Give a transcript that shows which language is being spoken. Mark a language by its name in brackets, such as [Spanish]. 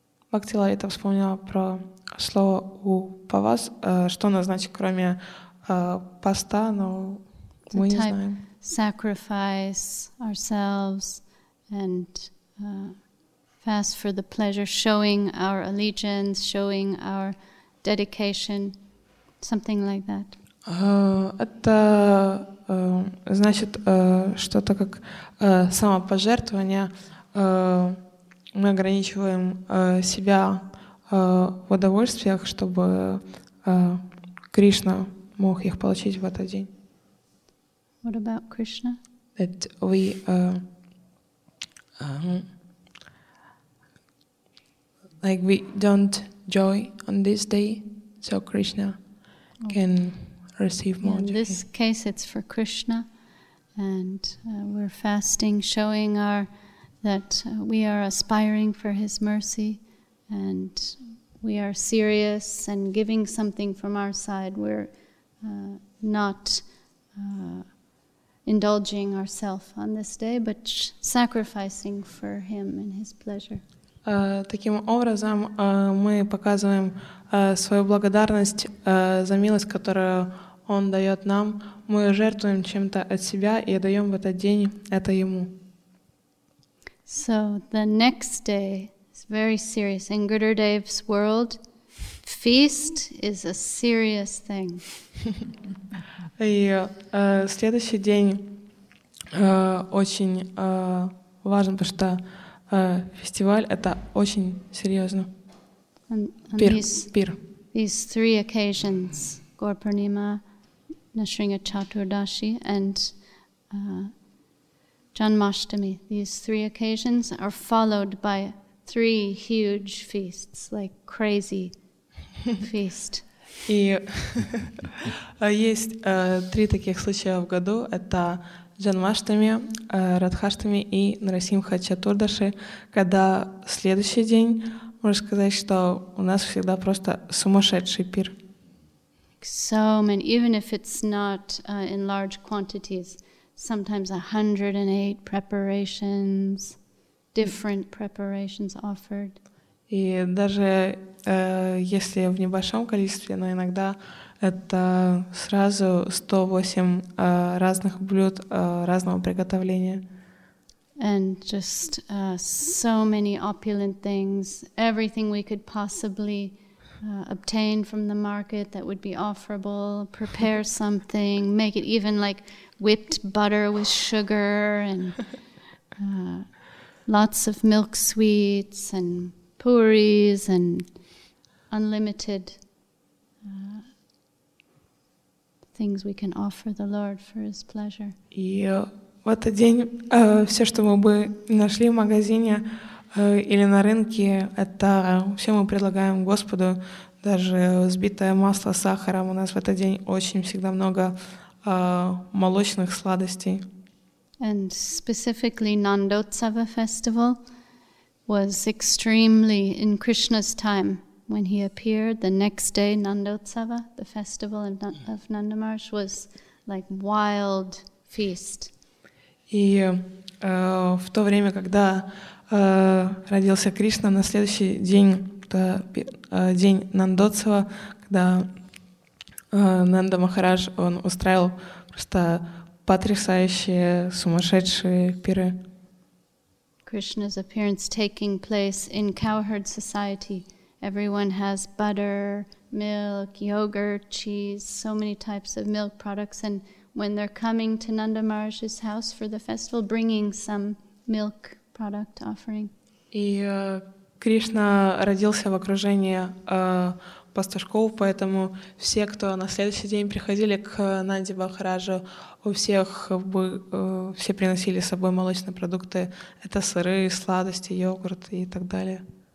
[Russian] Bhakti Lalita вспомнила про слово upavas, что оно значит, кроме поста, но мы не знаем. [English] Sacrifice ourselves and fast for the pleasure, showing our allegiance, showing our dedication, something like that. [Russian] Это значит что-то как самопожертвование. Мы ограничиваем себя в удовольствиях, чтобы Кришна мог их получить в этот день. [English] What about Krishna? That we like we don't joy on this day, so Krishna can receive more. In this case, it's for Krishna, and we're fasting, showing our that we are aspiring for His mercy, and we are serious and giving something from our side. We're not. Indulging ourselves on this day, but sacrificing for him and his pleasure. [Russian] Таким образом, мы показываем свою благодарность за милость, которую он дает нам. Мы жертвуем чем-то от себя и даем в этот день это ему. [English] So the next day is very serious. In Gurudev's world, feast is a serious thing. [Russian] И следующий день очень важен, потому что фестиваль — это очень серьезно. Пир. [English] These three occasions, Gaur Purnima, Nasringa Chaturdashi, and Janmashtami, these three occasions are followed by three huge feasts, like crazy feast. [Russian] И есть три таких случая в году. Это Джанмаштами, Радхаштами и Нарасимха Чатурдаши, когда следующий день, можно сказать, что у нас всегда просто сумасшедший пир. [English] So many, even if it's not in large quantities, sometimes 108 preparations, different preparations offered. [Russian] И даже если в небольшом количестве, но иногда это сразу 108 разных блюд разного приготовления. [English] And just so many opulent things, everything we could possibly obtain from the market that would be offerable, prepare something, make it even like whipped butter with sugar and lots of milk sweets and puris and unlimited things we can offer the Lord for His pleasure. Yeah. [Russian] В этот день все, что мы бы нашли в магазине или на рынке, это все мы предлагаем Господу. Даже взбитое масло с сахаром. У нас в этот день очень всегда много молочных сладостей. [English] And specifically Nandotsava festival was extremely in Krishna's time when he appeared. The next day Nandotsava, the festival of Nandamarsh, was like wild feast. [Russian] И в то время, когда родился Кришна, на следующий день, это день Нандотсава, когда Нанда Махарадж, он устраивал просто потрясающие, сумасшедшие пиры. [English] Krishna's appearance taking place in cowherd society. Everyone has butter, milk, yogurt, cheese, so many types of milk products, and when they're coming to Nanda Maharaj's house for the festival, bringing some milk product offering. [Russian] И Кришна родился в окружении пастушков, поэтому все, кто на следующий день приходили к Нанде Махараджу, у всех все приносили с собой молочные продукты. Это сыры, сладости, йогурт и так далее.